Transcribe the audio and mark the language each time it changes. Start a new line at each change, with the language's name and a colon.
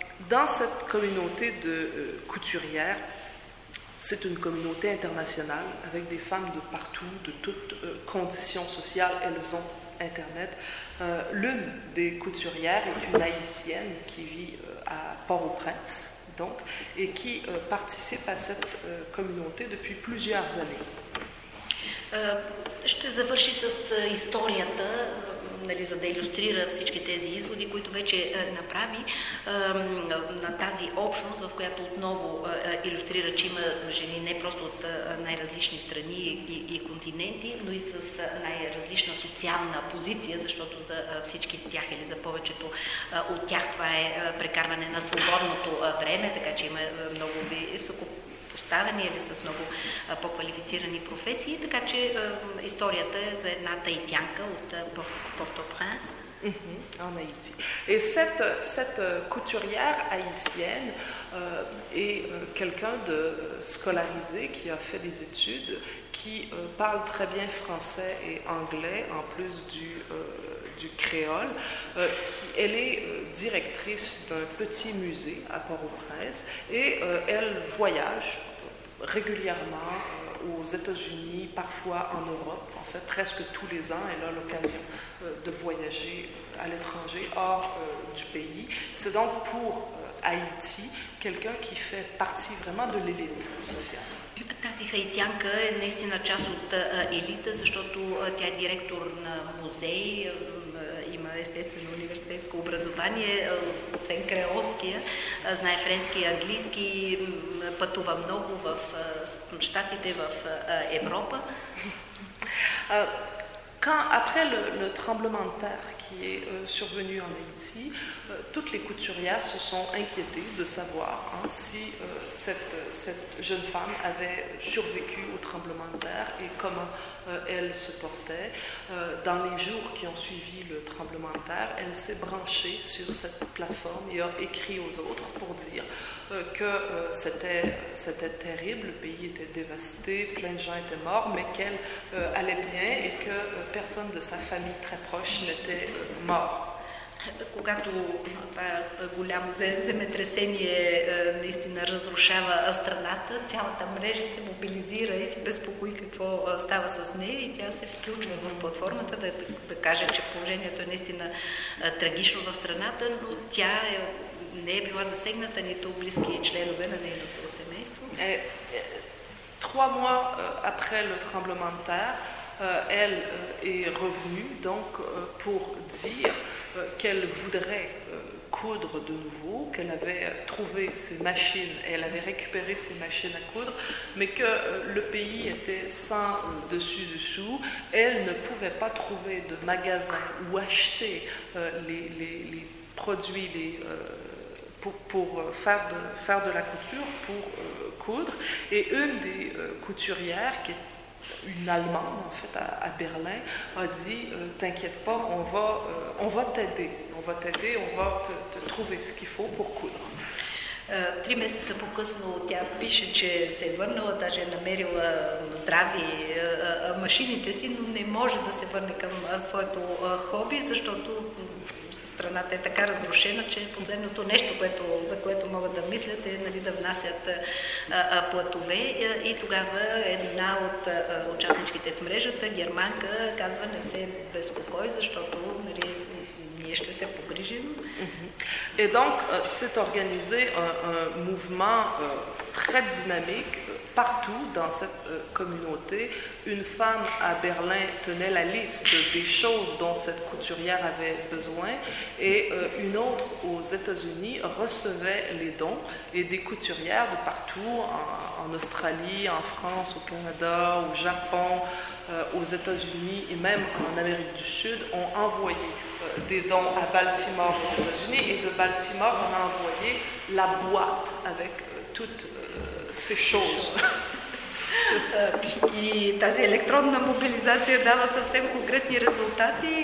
French: Dans cette communauté de couturières, c'est une communauté internationale avec des femmes de partout, de toutes conditions sociales, elles ont Internet. L'une des couturières est une haïtienne qui vit à Port-au-Prince, donc, et qui participe à cette communauté depuis plusieurs années.
Bulgarian: Ще завърши с историята, нали, за да илюстрира всички тези изводи, които вече направи на тази общност, в която отново илюстрира, че има жени не просто от най-различни страни и континенти, но и с най-различна социална позиция, защото за всички тях или за повечето от тях това е прекарване на свободното време, така че има много високо поставени или с много по-квалифицирани професии, така че историята е за една таитянка от Порто-Принс.
French: En Haïti. Et cette couturière haïtienne est quelqu'un de scolarisé qui a fait des études, qui parle très bien français et anglais en plus du créole. Elle est directrice d'un petit musée à Port-au-Prince et elle voyage régulièrement aux États-Unis, parfois en Europe, en fait presque tous les ans, elle a l'occasion de voyager à l'étranger, hors du pays. C'est donc pour Haïti quelqu'un qui fait partie vraiment de l'élite sociale.
Bulgarian: Тази хаитянка е наистина част от елита, защото тя е директор на музей, има естествено университетско образование, освен креолския, знае френски и английски, пътува много в Штатите, в Европа.
French: Après le tremblement de terre qui est survenu en Haïti, toutes les couturières se sont inquiétées de savoir si cette jeune femme avait survécu au tremblement de terre et comment elle se portait. Dans les jours qui ont suivi le tremblement de terre, elle s'est branchée sur cette plateforme et a écrit aux autres pour dire que c'était terrible, le pays était dévasté, plein de gens étaient morts, mais qu'elle allait bien et que personne de sa famille très proche n'était mort.
Bulgarian: Когато това голямо земетресение наистина разрушава страната, цялата мрежа се мобилизира и се безпокои какво става с нея и тя се включва в платформата да каже, че положението е наистина трагично в страната, но тя не е била засегната нито близки членове на нейното семейство.
French: Trois mois après le tremblement de terre, elle est revenue donc pour dire qu'elle voudrait coudre de nouveau, qu'elle avait trouvé ses machines, elle avait récupéré ses machines à coudre, mais que le pays était sans dessus-dessous, elle ne pouvait pas trouver de magasin ou acheter les produits pour faire de la couture, pour coudre, et une des couturières qui était une Allemande, en fait, à Berlin, a dit, t'inquiète pas, on va t'aider. On va t'aider, on va te trouver ce qu'il faut pour coudre.
Bulgarian: Три месеца по-късно тя пише, че се е върнала, даже е намерила здрави машините си, но не може да се върне към своето хоби, защото страната е така разрушена, че последното нещо, за което могат да мислят, е, нали, да внасят платове. И тогава една от участничките в мрежата, германка, казва, не се безпокой, защото, нали, ние ще се погрижим.
French: Et donc, c'est organisé un mouvement très dynamique partout dans cette communauté. Une femme à Berlin tenait la liste des choses dont cette couturière avait besoin et une autre aux États-Unis recevait les dons et des couturières de partout, en Australie, en France, au Canada, au Japon, aux États-Unis et même en Amérique du Sud ont envoyé des dons à Baltimore aux États-Unis et de Baltimore on a envoyé la boîte avec toutes ces choses.
Bulgarian: И тази електронна мобилизация дава съвсем конкретни резултати.